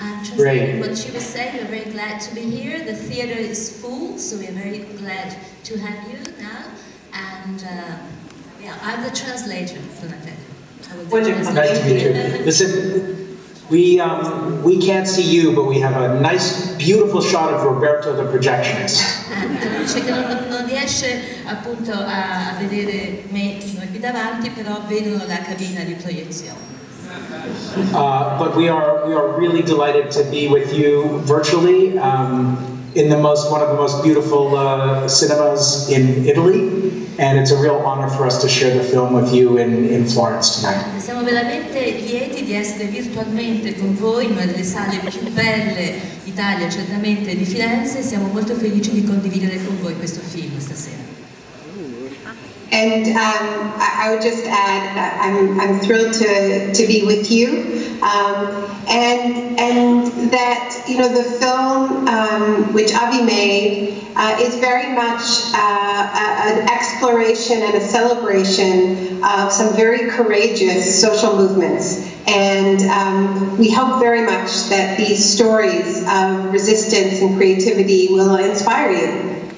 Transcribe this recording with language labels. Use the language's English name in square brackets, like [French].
[English] Translating what she was saying, we're very glad to be here. The theater is full, so we're very glad to have you now. And yeah, I'm the translator for that. Nice to meet you. Listen, we can't see you, but we have a nice, beautiful shot of Roberto the projectionist. [Italian] Dice che non riesce appunto a vedere me qui davanti, però vedono la cabina di proiezione. [English] But we are really delighted to be with you virtually in one of the most beautiful cinemas in Italy. And it's a real honor for us to share the film with you in Florence tonight. [Italian] Siamo veramente lieti di essere virtualmente con voi in una delle sale più belle d'Italia, certamente di Firenze. Siamo molto felici di condividere con voi questo film stasera. [English] And I would just add that I'm thrilled to be with you, and that, you know, the film which Avi made is very much an exploration and a celebration of some very courageous social movements, and we hope very much that these stories of resistance and creativity will inspire you.